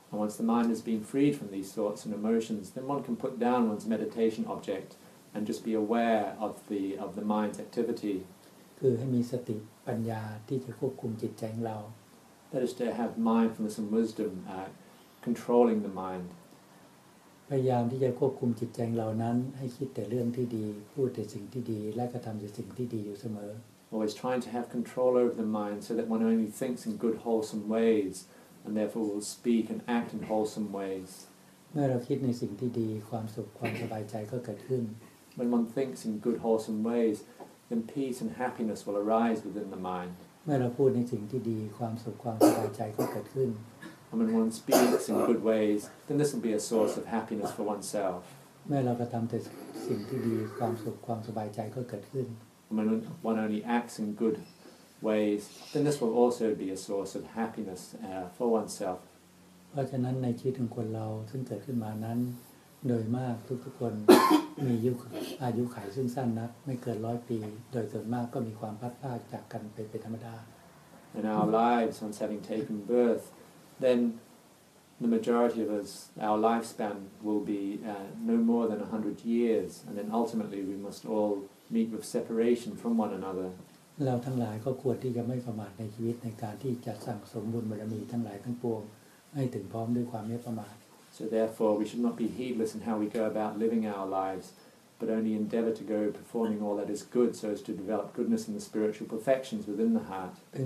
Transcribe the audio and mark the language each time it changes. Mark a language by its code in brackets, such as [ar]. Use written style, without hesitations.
[en] Once the mind has been freed from these thoughts and emotions, then one can put down one's meditation object and just be aware of the mind's activity. [th] คือให้มีสติปัญญาที่จะควบคุมจิตใจของเรา [en] That is to have mindfulness and wisdom controlling the mind. [th] พยายามที่จะควบคุมจิตใจของเรานั้นให้คิดแต่เรื่องที่ดีพูดแต่สิ่งที่ดีและกระทำแต่สิ่งที่ดีอยู่เสมอ [en] Always trying to have control over the mind so that one only thinks in good wholesome ways and therefore will speak and act in wholesome ways. [th] เมื่อเราคิดในสิ่งที่ดีความสุขความสบายใจก็เกิดขึ้น [en] When one thinks in good wholesome ways, then peace and happiness will arise within the mind. [th] เมื่อเราพูดในสิ่งที่ดีความสุขความสบายใจก็เกิดขึ้น [en] And when one speaks in good ways, then this will be a source of happiness for oneself. [th] เมื่อเรากระทำแต่สิ่งที่ดีความสุขความสบายใจก็เกิดขึ้น [en] When one only acts in good ways, then this will also be a source of happiness for oneself. [th] เพราะฉะนั้นในชีวิตของคนเราซึ่งเกิดขึ้นมานั้นโดยมากทุกคนมีอายุขัยซึ่งสั้นนักไม่เกิน100 ปีโดยส่วนมากก็มีความพัดพลาดจากกันไปเป็นธรรมดา [en] In our lives, once having taken birth, then the majority of us, our lifespan will be no more than 100 years, and then ultimately we must all. Meet with separation from one another. [th] เราทั้งหลายก็ควรที่จะไม่ประมาทในชีวิตในการที่จะสั่งสมบุญบารมีทั้งหลายทั้งปวงให้ถึงพร้อมด้วยความไม่ประมาท [en] So therefore, we should not be heedless in how we go about living our lives, but only endeavor to go performing all that is good so as to develop goodness in the spiritual perfections within the heart.